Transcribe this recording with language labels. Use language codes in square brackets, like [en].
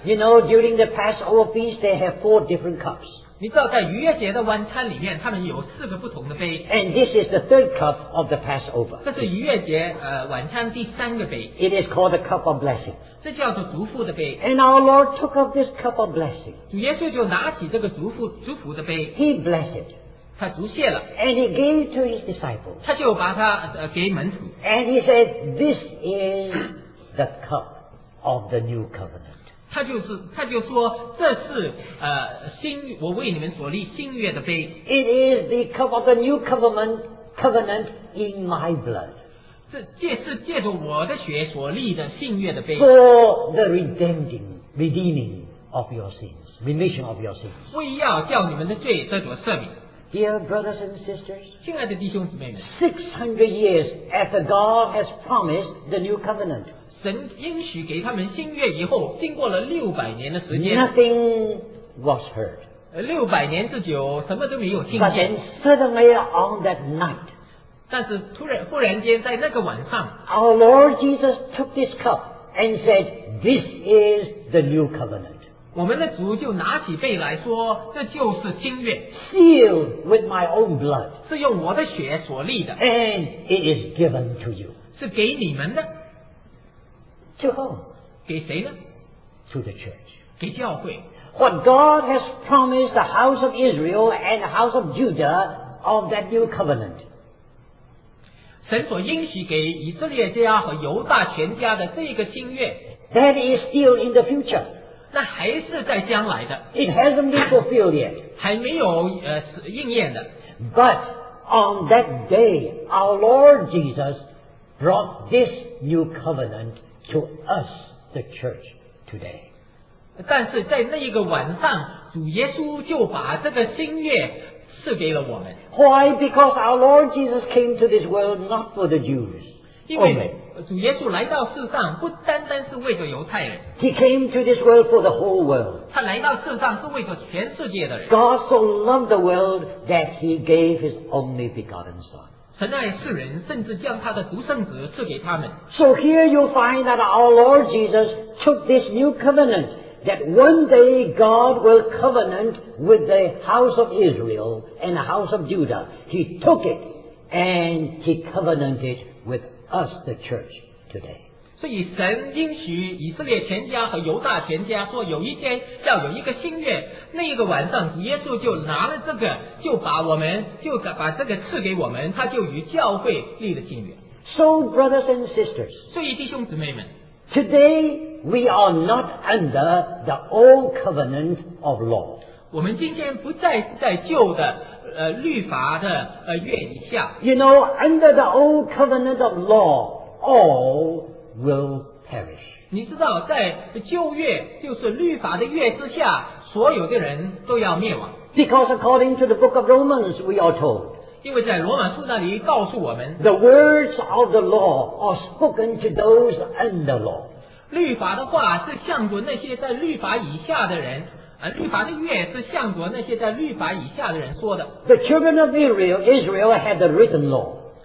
[en] You know, during the Passover feast, they have 4 different cups. [zh] 你知道在逾越节的晚餐里面，他们有四个不同的杯。 [en] And this is the 3rd cup of the Passover. [zh] 这是逾越节晚餐第三个杯。 [en] It is called the cup of blessing. [zh] 这叫做祝福的杯。 [en] And our Lord took up this cup of blessing. [zh] 主耶稣就拿起这个祝福的杯。 [en] He blessed. [zh] 他祝谢了。 [en] And he gave to his disciples. [zh] 他就把它给门徒。 [en] And he said, this is the cup. Of the new covenant. [zh] 他就说这是新我为你们所立新约的杯。 [en] It is the cup of the new covenant in my blood. [zh] 这是借着我的血所立的新约的杯。 [en] For the redeeming of your sins, remission of your sins. [zh] 为要叫你们的罪得着赦免。 [en] Dear brothers and sisters, [zh] 亲爱的弟兄姊妹们， [en] 600 years after God has promised the new covenant. [zh] 神应许给他们新约以后，经过了六百年的时间， [en] Nothing was heard. [zh] 六百年之久什么都没有听见。 [en] But then suddenly on that night, [zh] 但是突然忽然间在那个晚上 [en] our Lord Jesus took this cup and said, this is the new covenant. [zh] 我们的主就拿起杯来说这就是新约 [en] sealed with my own blood, [zh] 是用我的血所立的 [en] and it is given to you. [zh] 是给你们的。 [en] To whom? [zh] 给谁呢？ [en] To the church. [zh] 给教会。 [en] What God has promised the house of Israel and the house of Judah of that new covenant. [zh] 神所应许给以色列家和犹大全家的这个新约。 [en] That is still in the future. [zh] 那还是在将来的。 [en] It hasn't been fulfilled yet. [zh] 还没有应验的。 [en] But on that day, our Lord Jesus brought this new covenant to us, the church, today. [zh] 但是在那一个晚上，主耶稣就把这个新约赐给了我们。 [en] Why? Because our Lord Jesus came to this world not for the Jews. [zh] 因为主耶稣来到世上不单单是为着犹太人。 [en] He came to this world for the whole world. [zh] 他来到世上是为着全世界的人。 [en] God so loved the world that he gave his only begotten son. [zh] 神爱世人，甚至将他的独生子赐给他们。 [en] So here you find that our Lord Jesus took this new covenant that one day God will covenant with the house of Israel and the house of Judah. He took it and he covenanted with us, the church, today. [zh] 所以神应许以色列全家和犹大全家说，有一天要有一个新约。那一个晚上耶稣就拿了这个就把我们就把这个赐给我们他就与教会立了新约 [en] So brothers and sisters [zh] 所以弟兄姊妹们 [en] Today we are not under the old covenant of law [zh] 我们今天不再在旧的律法的约以下 [en] You know under the old covenant of law all will perish [zh] 你知道在旧约就是律法的约之下所有的人都要灭亡。 [en] Because according to the book of Romans, we are told. [zh] 因为在罗马书那里告诉我们 [en] The words of the law are spoken to those under law. [zh] 律法的话是向着那些在律法以下的人律法的约是向着那些在律法以下的人说的。 [en] The children of Israel had the written law.